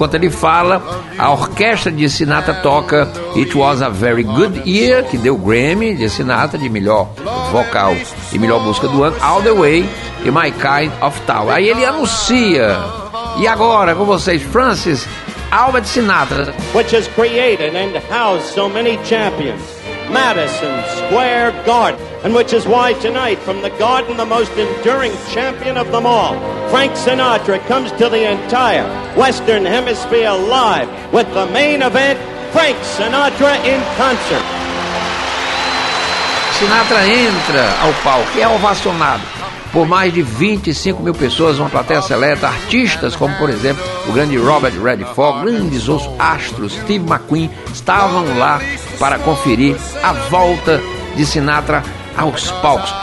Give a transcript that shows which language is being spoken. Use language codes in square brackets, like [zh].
[pt] Enquanto ele fala, a orquestra de Sinatra toca It Was a Very Good Year, que deu o Grammy de Sinatra de melhor vocal e melhor música do ano, All the Way e My Kind of Town. Aí ele anuncia, e agora com vocês, Francis Albert Sinatra. [en] Which has created and housed so many champions, Madison Square Garden, and which is why tonight from the garden the most enduring champion of them all, Frank Sinatra, comes to the entire Western Hemisphere live with the main event, Frank Sinatra in concert. [pt] Sinatra entra ao palco e é ovacionado por mais de 25 mil pessoas, uma plateia seleta, artistas como, por exemplo, o grande Robert Redford, grandes os astros, Steve McQueen, estavam lá para conferir a volta de Sinatra aos palcos.